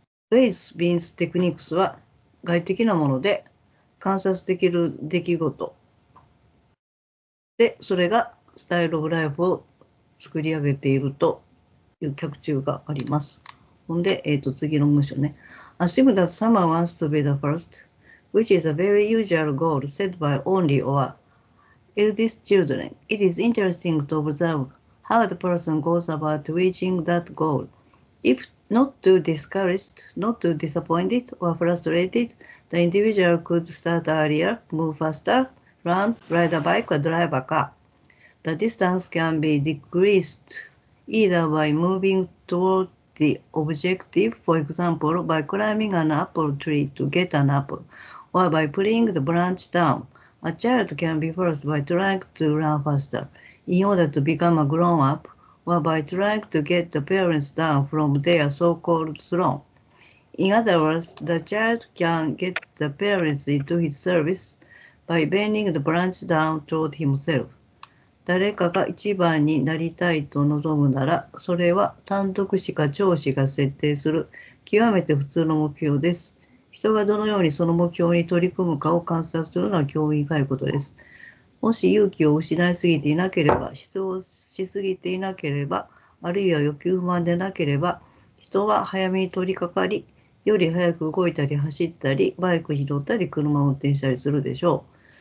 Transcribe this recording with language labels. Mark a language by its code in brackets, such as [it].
[ja] フェイスビーンステクニックスは外的なもので観察できる出来事で、それがスタイルオブライフを作り上げているという脚注があります。ほんで、次の文章ね。 [en] Assume that someone wants to be the first, which is a very usual goal set by only or eldest children. It is interesting to observe how the person goes about reaching that goal. If not too discouraged, not too disappointed or frustrated, the individual could start earlier, move faster, run, ride a bike or drive a car. The distance can be decreased either by moving toward the objective, for example, by climbing an apple tree to get an apple, or by pulling the branch down. A child can be first by trying to run faster in order to become a grown-up, or by trying to get the parents down from their so-called throne. In other words, the child can get the parents into his service by bending the branch down toward himself. [ja] 誰かが一番になりたいと望むなら、それは単独士か長士が設定する極めて普通の目標です。人がどのようにその目標に取り組むかを観察するのは興味深いことです。もし勇気を失いすぎていなければ、失望しすぎていなければ、あるいは欲求不満でなければ、人は早めに取り掛かり、より早く動いたり走ったり、バイクに乗ったり、車を運転したりするでしょう。